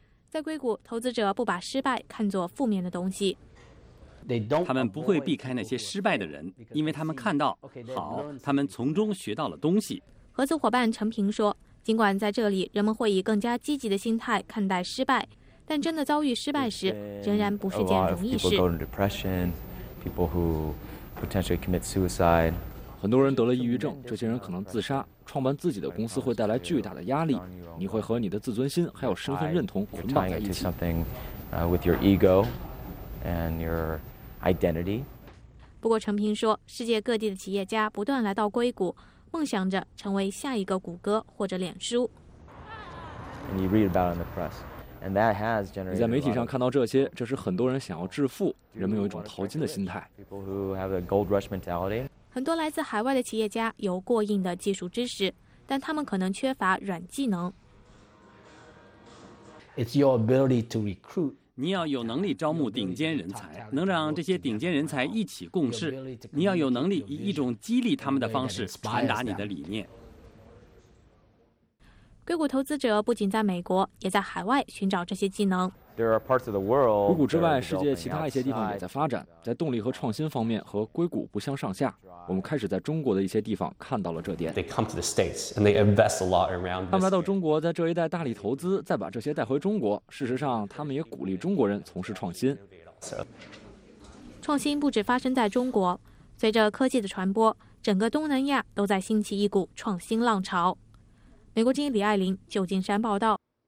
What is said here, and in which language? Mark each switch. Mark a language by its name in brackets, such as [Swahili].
[Chinese] 在硅谷，投资者不把失败看作负面的东西，他们不会避开那些失败的人，因为他们看到，好，他们从中学到了东西。合作伙伴陈平说，尽管在这里人们会以更加积极的心态看待失败，但真的遭遇失败时仍然不是件容易事。 [English] People go into depression, people who potentially commit suicide. [Chinese] 很多人得了抑郁症，这些人可能自杀，创办自己的公司会带来巨大的压力，你会和你的自尊心还有身份认同捆绑在一起。 [English] You're tying it to something with your ego and your identity. [Chinese] 不过陈平说，世界各地的企业家不断来到硅谷，梦想着成为下一个谷歌或者脸书。 [English] And you read about it in the press. [Chinese] 你在媒体上看到这些，这是很多人想要致富，人们有一种淘金的心态。很多来自海外的企业家有过硬的技术知识，但他们可能缺乏软技能。 [English] It's your ability to recruit. [Chinese] 你要有能力招募顶尖人才，能让这些顶尖人才一起共事。你要有能力以一种激励他们的方式传达你的理念。硅谷投资者不仅在美国，也在海外寻找这些技能。硅谷之外，世界其他一些地方也在发展，在动力和创新方面和硅谷不相上下。我们开始在中国的一些地方看到了这点。 [English] They come to the States and they invest a lot around. [Chinese] 他们来到中国，在这一带大力投资，再把这些带回中国。事实上，他们也鼓励中国人从事创新。创新不只发生在中国，随着科技的传播，整个东南亚都在兴起一股创新浪潮。美国之音李爱玲，旧金山报道。